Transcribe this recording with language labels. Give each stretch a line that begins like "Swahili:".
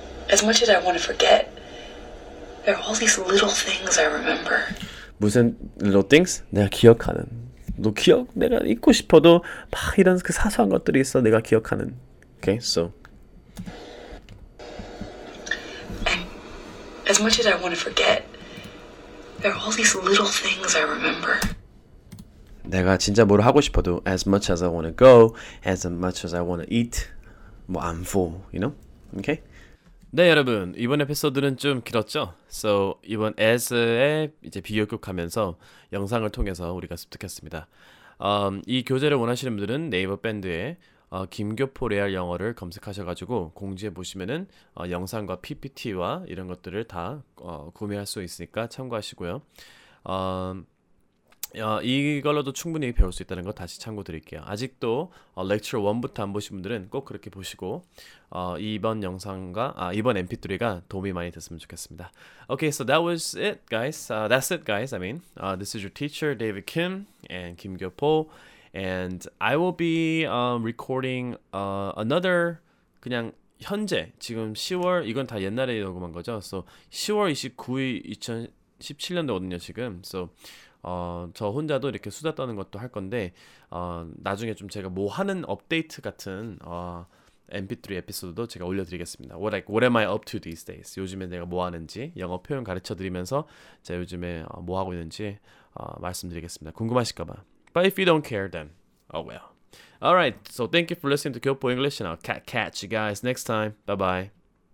English: As much as I want to forget, there are all these little things I remember.
Korean: 무슨 little things? 내가 기억하는. 너 기억? 내가 잊고 싶어도 막 이런 그 사소한 것들이 있어. 내가 기억하는. Okay, so.
English: And as much as I want to forget, there are all these little things I remember.
Korean: 내가 진짜 뭐를 하고 싶어도
English: as much as I want to go, as much as I want to eat, 뭐 I'm full, you know?
Korean: Okay? 네, 여러분. 이번 에피소드는 좀 길었죠? So, 이번 as의 이제 비교격하면서 영상을 통해서 우리가 습득했습니다. 이 교재를 원하시는 분들은 네이버 밴드에 김교포 레알 영어를 검색하셔가지고 공지해 보시면은 영상과 PPT와 이런 것들을 다 구매할 수 있으니까 참고하시고요. 이걸로도 충분히 배울 수 있다는 거 다시 참고 드릴게요. 아직도 Lecture 1부터 안 보신 분들은 꼭 그렇게 보시고 이번 영상과 이번 MP3가 도움이 많이 됐으면 좋겠습니다.
English: Okay, so that was it, guys. That's it, guys. I mean, this is your teacher, David Kim, and 김교포. And I will be recording another
Korean: 그냥 현재, 지금 10월, 이건 다 옛날에 녹음한 거죠. So 10월 29일 2017년도거든요, 지금. So 저 혼자도 이렇게 수다 떠는 것도 할 건데 나중에 좀 제가 뭐 하는 업데이트 같은 MP3 에피소드도 제가 올려드리겠습니다.
English: What am I up to these days?
Korean: 요즘에 내가 뭐 하는지 영어 표현 가르쳐드리면서 제가 요즘에 뭐 하고 있는지 말씀드리겠습니다. 궁금하실까봐.
English: But if you don't care, then oh well. Alright, so thank you for listening to 교포 English and I'll catch you guys next time. Bye-bye.